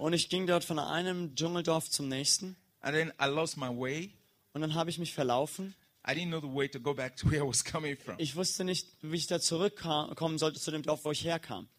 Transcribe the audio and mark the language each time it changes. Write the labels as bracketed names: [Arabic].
[German] Und ich ging dort von einem Dschungeldorf zum nächsten. [English] And then I lost my way. [German] Und dann habe ich mich verlaufen. [English] I didn't know the way to go back to where I was coming from. [German] Ich wusste nicht, wie ich da zurückkommen sollte zu dem Dorf, wo ich herkam.